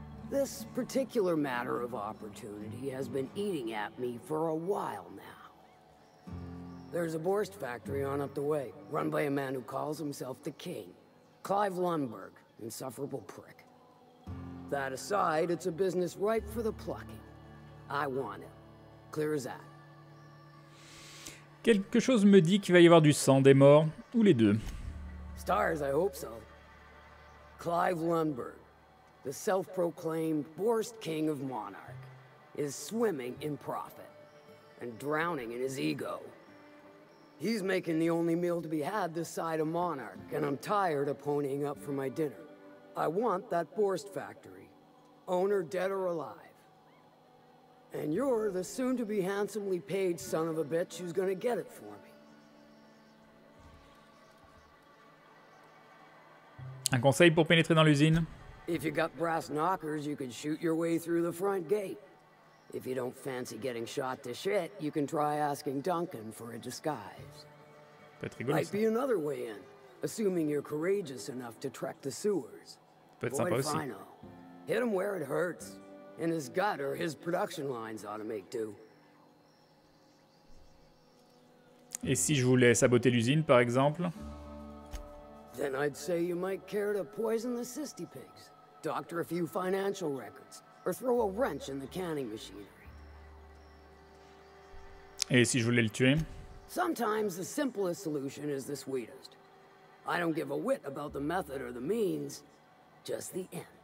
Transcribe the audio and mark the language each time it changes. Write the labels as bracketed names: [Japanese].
[English] This particular matter of opportunity has been eating at me for a while now. There's a Borst factory on up the way, run by a man who calls himself the King. Clive Lundberg, insufferable prick. That aside, it's a business ripe for the plucking. I want it. Clear as that. [French] Quelque chose me dit qu'il va y avoir du sang, des morts, ou les deux. [English] Stars, I hope so. Clive Lundberg, the self-proclaimed Borst King of Monarch, is swimming in profit and drowning in his ego. He's making the only meal to be had this side of Monarch, and I'm tired of ponying up for my dinner. I want that Borst factory, owner dead or alive. And you're the soon-to-be handsomely paid son of a bitch who's gonna get it for me. [French] Un conseil pour pénétrer dans l'usine? [English] If you got brass knockers, you could shoot your way through the front gate. If you don't fancy getting shot to shit, you can try asking Duncan for a disguise. [French] Peut-être rigolo, [English] might be another way in, assuming you're courageous enough to trek the sewers. [French] Peut-être sympa aussi. Fino. [English] Hit him where it hurts. In his gut or his production lines ought to make do. [French] Et si je voulais saboter l'usine, par exemple? [English] Then I'd say you might care to poison the cysty pigs, doctor a few financial records, or throw a wrench in the canning machinery. [French] Et si je voulais le tuer? [English] Sometimes the simplest solution is the sweetest. I don't give a whit about the method or the means, just the end.